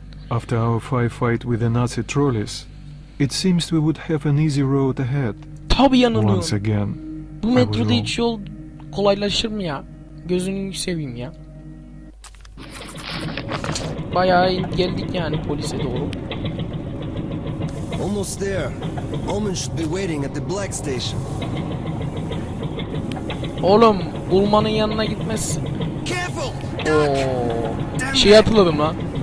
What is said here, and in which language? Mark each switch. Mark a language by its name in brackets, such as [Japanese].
[English] After our firefight with the Nazi trolleys, it seems we would have an easy road ahead. [Turkish] Tabii yanılıyorum. Bu metroda hiç yol kolaylaşır mı ya? Gözünü seveyim ya. Bayağı geldik yani polise doğru. [English] Almost there. Omen should be waiting at the black station. [Turkish] Oğlum, Ulman'ın yanına gitmezsin. [English] Careful! [Turkish] Oo. Şey yapalım ha.